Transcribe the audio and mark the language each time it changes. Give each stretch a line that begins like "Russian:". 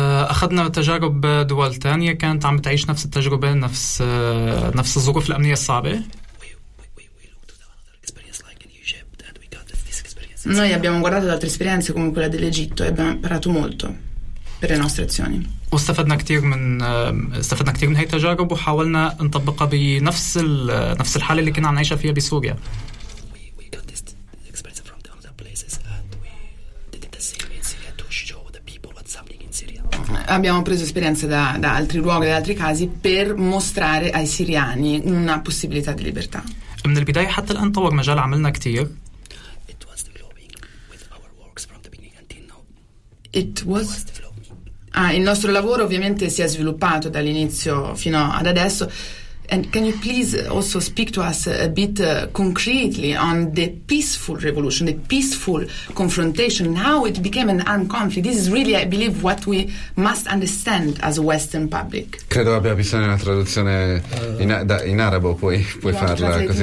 Arabic: أخذنا تجارب دول تانية كانت عم تعيش نفس التجربة، نفس الظروف الأمنية الصعبة.
Italian: Noi abbiamo guardato ad altre esperienze come quella dell'Egitto e abbiamo imparato molto per le nostre azioni.
Arabic: استفدنا كتير من هاي التجارب وحاولنا نطبقها بنفس نفس الحالة اللي كنا عم نعيشها فيها بسوريا.
Italian: Abbiamo preso esperienze da altri luoghi, da altri casi, per mostrare ai siriani una possibilità di libertà.
Arabic: من البداية حتى الآن طور مجال عملنا كتير.
English: It was developing with our works from the beginning until now.
Italian: Il nostro lavoro ovviamente si è sviluppato dall'inizio fino ad adesso.
English: And can you please also speak to us a bit concretely on the peaceful revolution, the peaceful confrontation, how it became an armed conflict? This is really, I believe, what we must understand as a Western public.
Italian: Credo abbia bisogno di una traduzione in, da, in arabo, puoi, puoi farla così.